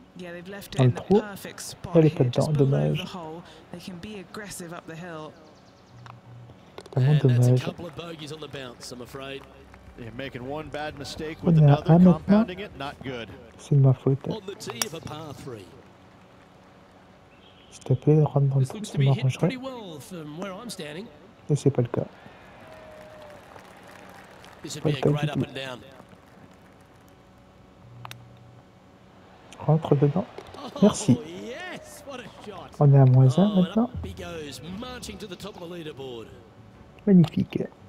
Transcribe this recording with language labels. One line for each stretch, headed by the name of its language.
English: Yeah, they've left it in the perfect spot.
French: Elle est pas dedans, dommage.
English: They can be aggressive up the hill. And that's a couple of bogeys on the bounce, I'm afraid. They're making one bad mistake with another compounding it. Not good.
French: C'est ma faute.
English: On the tee of a par 3.
French: S'il te plaît, rentre dans le trou, ça m'arrangerait.
English: Well, from where I'm standing.
French: Mais c'est pas le cas.
English: This would be a great up and down.
French: Rentre dedans. Merci.
English: Oh, yes, what a shot.
French: On est à moins 1 maintenant.
English: Up he goes, marching to the top of the leaderboard.
French: Magnifique.